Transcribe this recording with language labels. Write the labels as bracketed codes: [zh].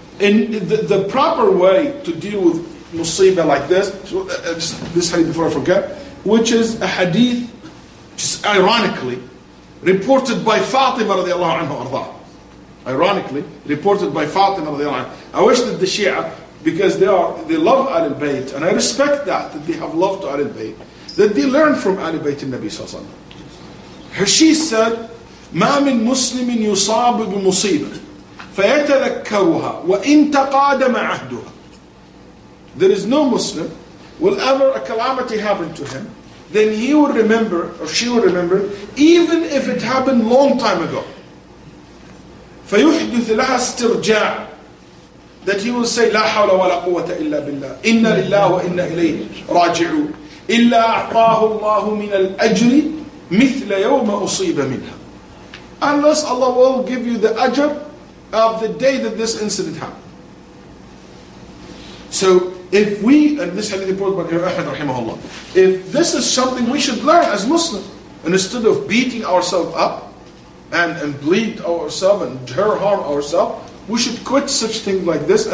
[en] And the proper way to deal with musibah like this, just this hadith before I forget, which is a hadith, just ironically, reported by Fatima radiallahu anhu arda. Ironically, reported by Fatima radiallahu anhu. I wish that the Shia, because they love Ahlul Bayt, and I respect that they have love to Ahlul Bayt, that they learn from Ahlul Bayt in Nabi Sallallahu Alaihi Wasallam. She said, [ar] ما من مسلم يصاب بمصيبة فيتذكرها وإن تقادم عهدها. [en] There is no Muslim, will ever a calamity happen to him, then he will remember, or she will remember, even if it happened long time ago. [ar] فيحدث لها استرجاع, [en] that he will say, [ar] لا حول ولا قوة إلا بالله, إن لله وإن إليه راجعون, إلا أعطاه الله من الأجر مثل يوم أصيب منها. [en] Unless Allah will give you the ajr of the day that this incident happened. So if we, and this hadith reported by Imam Ahmad rahimahullah, if this is something we should learn as Muslims, instead of beating ourselves up and bleed ourselves and dare harm ourselves, we should quit such things like this.